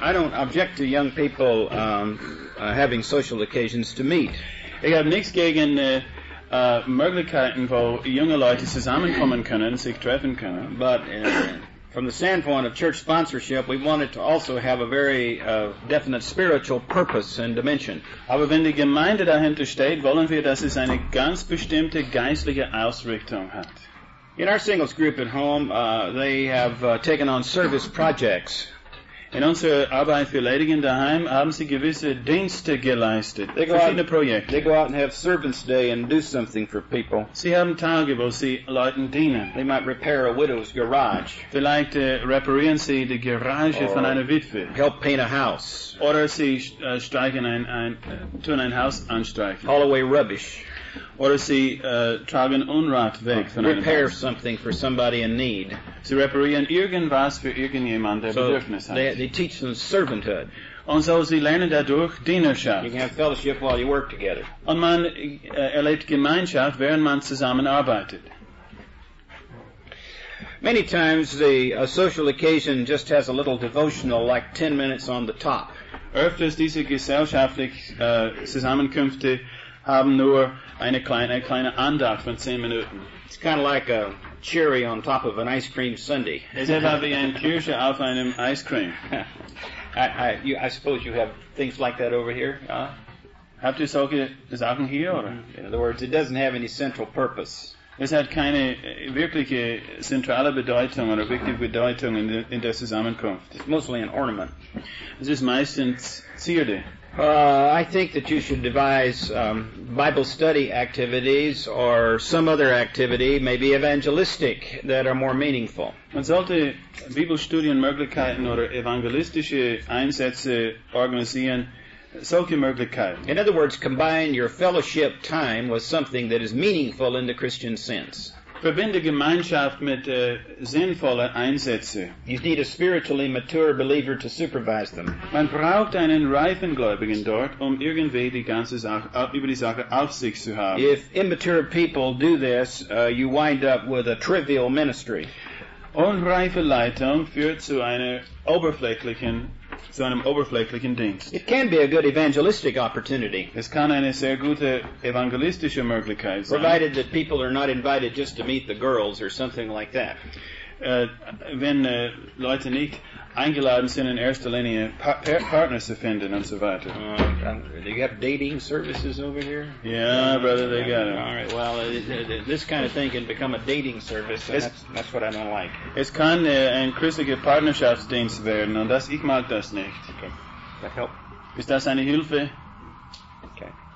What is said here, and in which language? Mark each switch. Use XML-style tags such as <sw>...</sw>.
<en>I don't object to young people having social occasions to meet.</en> <de>Ich habe nichts gegen Möglichkeiten, wo junge Leute zusammenkommen können, sich treffen können.</de> <en>But from the standpoint of church sponsorship, we want it to also have a very definite spiritual purpose and dimension.</en> <de>Aber wenn die Gemeinde dahinter steht, wollen wir, dass es eine ganz bestimmte geistliche Ausrichtung hat.</de> <en>In our singles group at home, they have taken on service projects.</en> <de>In unserer Arbeit für Ledigen daheim haben sie gewisse Dienste geleistet. Verschiedene Projekte.</de> <en>They go out and have servants' day and do something for people.</en> <de>Sie haben Tage, wo sie Leuten dienen.</de> <en>They might repair a widow's garage.</en> <de>Vielleicht reparieren sie die Garage</de> <en>or</en> <de>von einer Witwe.</de> <en>Help paint a house.</en> <de>Oder sie streichen tun ein Haus anstreichen.</de> <en>Haul away rubbish.</en> <de>Oder sie tragen Unrat weg von einem</de> <en>Repair Haus. Something for somebody in need.</en> <de>Sie reparieren irgendwas für irgendjemand, der so Bedürfnis hat.</de> <en>They teach them servanthood.</en> <de>Und so sie lernen dadurch Dienerschaft.</de> <en>You can have fellowship while you work together.</en> <de>Und man erlebt Gemeinschaft, während man zusammen arbeitet.</de> <en>Many times a social occasion just has a little devotional, like 10 minutes on the top.</en> <de>Öfters diese gesellschaftlichen Zusammenkünfte haben nur eine kleine Andacht von 10 Minuten.</de> <en>It's kind of like a cherry on top of an ice cream sundae.</en> <de>Es ist wie ein Kirsche auf einem Ice Cream.</de> <en>I suppose you have things like that over here.</en> <de>Habt ihr solche Sachen hier? Oder?</de> <en>In other words, it doesn't have any central purpose.</en> <de>Es hat keine wirkliche zentrale Bedeutung oder wichtige Bedeutung in der Zusammenkunft.</de> <en>It's mostly an ornament.</en> <de>Es ist meistens Zierde.</de> <en>I think that you should devise Bible study activities or some other activity, maybe evangelistic, that are more meaningful.</en> <de>Man sollte Bibelstudienmöglichkeiten oder evangelistische Einsätze organisieren. Solche Möglichkeiten.</de> <en>In other words, combine your fellowship time with something that is meaningful in the Christian sense.</en> <de>Verbinde Gemeinschaft mit sinnvollen Einsätzen.</de> <en>You need a spiritually mature believer to supervise them.</en> <de>Man braucht einen reifen Gläubigen dort, um irgendwie die ganze Sache, über die Sache auf sich zu haben.</de> <en>If immature people do this, you wind up with a trivial ministry.</en> <de>Unreife Leitung führt zu einer oberflächlichen zu einem oberflächlichen Dienst.</de> <en>It can be a good evangelistic opportunity.</en> <de>Es kann eine sehr gute evangelistische Möglichkeit sein.</de> <en>Provided that people are not invited just to meet the girls or something like that.</en> <de>Wenn Leute nicht eingeladen sind, in erster Linie Partner zu finden und so weiter.</de> <en>Do you have dating services over here? Yeah, brother, they got it. All right, well, this kind of thing can become a dating service, and that's what I don't like.</en> <de>Es kann ein christlicher Partnerschaftsdienst werden, und das, ich mag das nicht.</de> <en>Okay. That help?</en> <de>Ist das eine Hilfe?</de> <en>Okay.</en>